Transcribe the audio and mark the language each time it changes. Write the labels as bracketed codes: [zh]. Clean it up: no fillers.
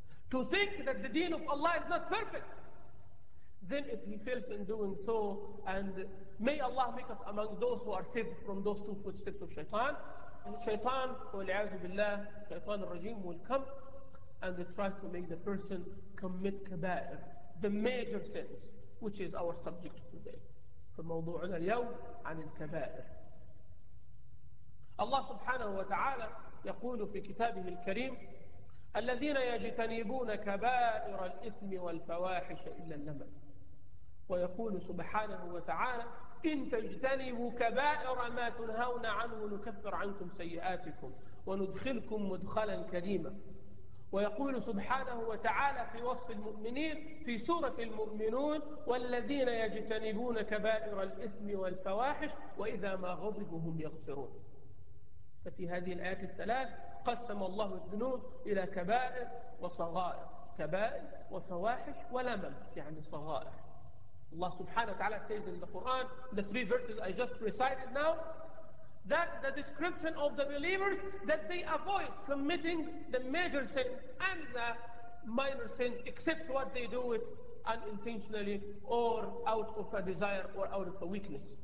[en] To think that the deen of Allah is not perfect. Then if he fails in doing so, and may Allah make us among those who are saved from those two footsteps of Shaitan, and Shaitan, wal'a'udhu billah, Shaitan al-Rajim will come and try to make the person commit kaba'ir, the major sins, which is our subject today. [ar] فموضوعنا اليوم عن الكبائر. الله سبحانه وتعالى يقول في كتابه الكريم: الذين يجتنبون كبائر الإثم والفواحش إلا اللمم. ويقول سبحانه وتعالى: إن تجتنبوا كبائر ما تنهون عنه نكفر عنكم سيئاتكم وندخلكم مدخلا كريما. ويقول سبحانه وتعالى في وصف المؤمنين في سورة المؤمنون: والذين يجتنبون كبائر الإثم والفواحش وإذا ما غضبوا هم يغفرون. ففي هذه الآيات الثلاث قسم الله الذنوب إلى كبائر وصغائر، كبائر وفواحش ولمم، يعني صغائر. الله سبحانه وتعالى [en] says in the Quran, the three verses I just recited now, that the description of the believers, that they avoid committing the major sin and the minor sin, except what they do it unintentionally or out of a desire or out of a weakness.